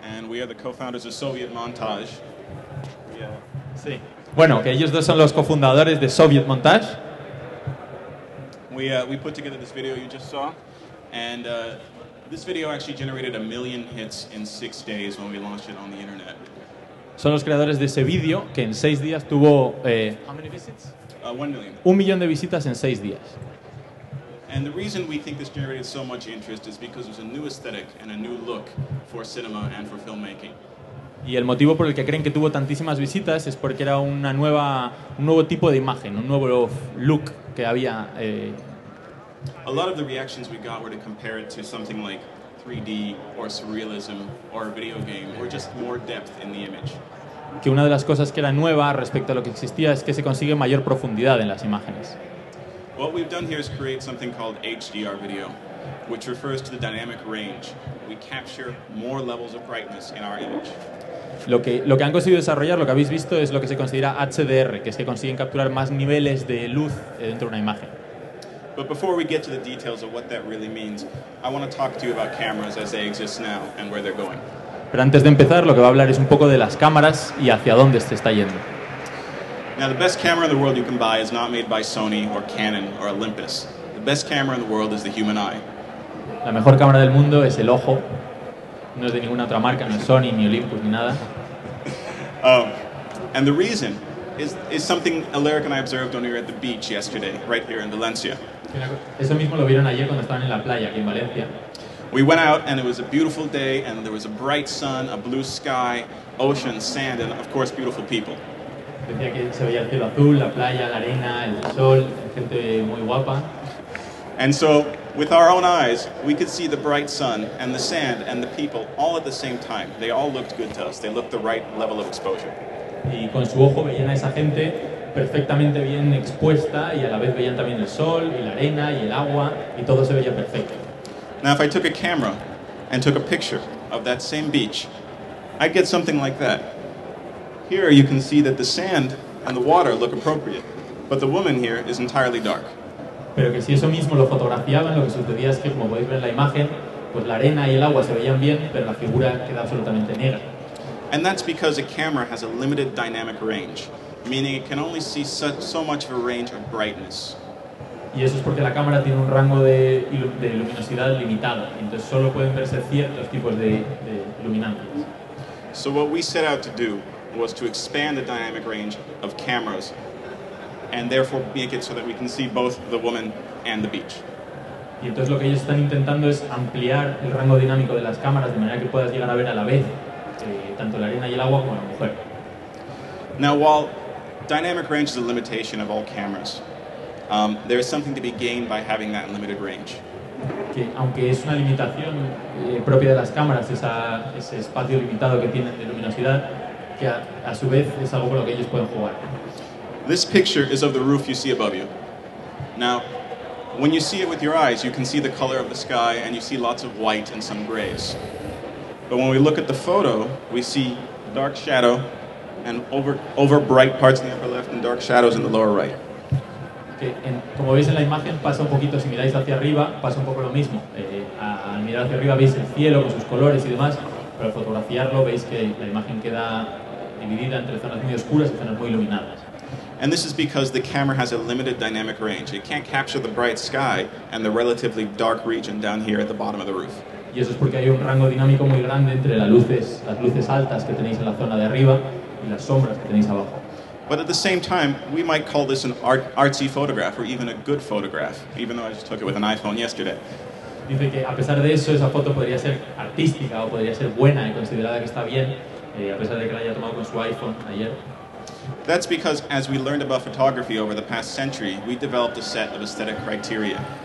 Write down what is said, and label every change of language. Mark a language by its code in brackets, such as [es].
[en] And we are the co-founders of Soviet Montage. [es] Sí. Bueno, que ellos dos son los cofundadores de Soviet Montage. [en] We put together this video you just saw, and this video actually generated 1,000,000 hits in 6 days when we launched it on the internet. [es] Son los creadores de ese video que en 6 días tuvo... [en] How many visits? 1,000,000. [es] 1,000,000 de visitas en 6 días. [en] And the reason we think this generated so much interest is because there's a new aesthetic and a new look for cinema and for filmmaking. [es] Y el motivo por el que creen que tuvo tantísimas visitas es porque era una nueva, un nuevo tipo de imagen, un nuevo look que había. [en] A lot of the reactions we got were to compare it to something like 3D or surrealism or a video game or just more depth in the image. [es] Que una de las cosas que era nueva respecto a lo que existía es que se consigue mayor profundidad en las imágenes. [en] What we've done here is create something called HDR video, which refers to the dynamic range. We capture more levels of brightness in our image. [es] Lo que han conseguido desarrollar, lo que habéis visto, es lo que se considera HDR, que es que consiguen capturar más niveles de luz dentro de una imagen. [en] But before we get to the details of what that really means, I want to talk to you about cameras as they exist now and where they're going. [es] Pero antes de empezar, lo que va a hablar es un poco de las cámaras y hacia dónde se está yendo. [en] Now the best camera in the world you can buy is not made by Sony or Canon or Olympus. The best camera in the world is the human eye. [es] La mejor cámara del mundo es el ojo. No es de ninguna otra marca, no es Sony ni Olympus ni nada. [en] And the reason is something Alaric and I observed when we were at the beach yesterday, right here in Valencia. [es] Eso mismo lo vieron ayer cuando estaban en la playa aquí en Valencia. [en] We went out and it was a beautiful day and there was a bright sun, a blue sky, ocean, sand and of course beautiful people. [es] Decía que se veía el cielo azul, la playa, la arena, el sol, gente muy guapa. [en] And so, with our own eyes, we could see the bright sun and the sand and the people all at the same time. They all looked good to us. They looked the right level of exposure. [es] Y con su ojo veían a esa gente perfectamente bien expuesta y a la vez veían también el sol y la arena y el agua y todo se veía perfecto. [en] Now, if I took a camera and took a picture of that same beach, I'd get something like that. Here you can see that the sand and the water look appropriate, but the woman here is entirely dark. [es] Pero que si eso mismo lo fotografiaban, lo que sucedía es que, como podéis ver en la imagen, pues la arena y el agua se veían bien, pero la figura queda absolutamente negra. [en] And that's because a camera has a limited dynamic range, meaning it can only see so much of a range of brightness. [es] Y eso es porque la cámara tiene un rango de luminosidad limitado, entonces solo pueden verse ciertos tipos de iluminantes. [en] So what we set out to do was to expand the dynamic range of cameras and therefore make it so that we can see both the woman and the beach. [es] Y entonces lo que ellos están intentando es ampliar el rango dinámico de las cámaras de manera que puedas llegar a ver a la vez tanto la arena y el agua como la mujer. [en] Now, while dynamic range is a limitation of all cameras, there is something to be gained by having that limited range. [es] Que aunque es una limitación propia de las cámaras, ese espacio limitado que tienen de luminosidad, que a su vez es algo con lo que ellos pueden jugar. [en] This picture is of the roof you see above you. Now, when you see it with your eyes, you can see the color of the sky and you see lots of white and some grays. But when we look at the photo, we see dark shadow and over bright parts in the upper left and dark shadows in the lower right. [es] Como veis en la imagen, pasa un poquito, si miráis hacia arriba, pasa un poco lo mismo. Al mirar hacia arriba veis el cielo con sus colores y demás, pero al fotografiarlo veis que la imagen queda dividida entre zonas muy oscuras y zonas muy iluminadas. [en] And this is because the camera has a limited dynamic range. It can't capture the bright sky and the relatively dark region down here at the bottom of the roof. [es] Y eso es porque hay un rango dinámico muy grande entre las luces altas que tenéis en la zona de arriba y las sombras que tenéis abajo. [en] But at the same time, we might call this an artsy photograph, or even a good photograph, even though I just took it with an iPhone yesterday. [es] Dice que a pesar de eso, esa foto podría ser artística o podría ser buena y considerada que está bien, a pesar de que la haya tomado con su iPhone ayer. [en] That's because as we learned about photography over the past century, we developed a set of aesthetic criteria.